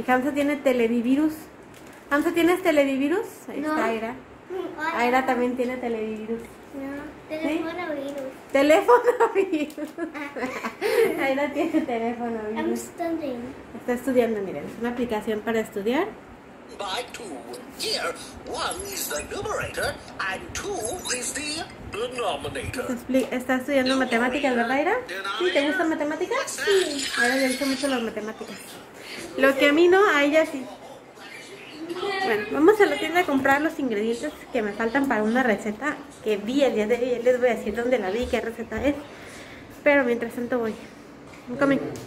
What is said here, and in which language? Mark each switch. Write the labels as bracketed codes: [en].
[es] Y Hamza tiene televirus. ¿Hamza, tienes televirus? Ahí no. Está Aira. Hola. Aira también tiene televirus. No, teléfono virus. ¿Sí? Teléfono virus. Ah. Aira tiene teléfono virus. Está estudiando, miren. Es una aplicación para estudiar. [en] By two. Here, one is the numerator and two is the denominator. [es] Está estudiando matemáticas, ¿verdad, Aira? ¿Sí? ¿Te gustan matemáticas? Sí. Ahora le gustan mucho las matemáticas. Lo que a mí no, a ella sí. Bueno, vamos a la tienda a comprar los ingredientes que me faltan para una receta que vi el día de hoy. Les voy a decir dónde la vi, qué receta es. Pero mientras tanto voy. Un coming.